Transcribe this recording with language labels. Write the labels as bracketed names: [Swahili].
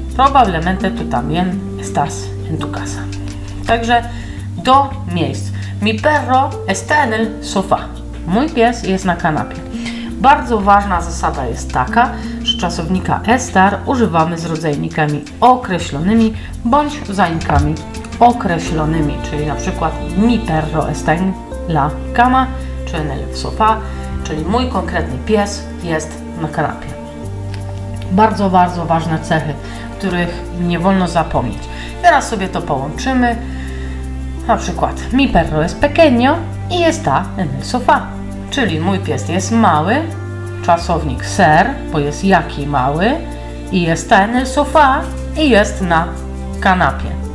[Spanish] Probablemente tú también estás en tu casa. [Polish] Także do miejsc. [Spanish] Mi perro está en el sofá. [Polish] Mój pies jest na kanapie. Bardzo ważna zasada jest taka, że czasownika estar używamy z rodzajnikami określonymi bądź zaimkami określonymi, czyli na przykład [Spanish] mi perro está en la cama, [Polish] czy [Spanish] en el sofá, [Polish] czyli mój konkretny pies jest na kanapie. Bardzo, bardzo ważne cechy, których nie wolno zapomnieć. Teraz sobie to połączymy. Na przykład, [Spanish] mi perro es pequeño y está en el sofá. [Polish] Czyli mój pies jest mały, czasownik ser, bo jest jaki mały, i [Spanish] está en el sofá [Polish] i jest na kanapie.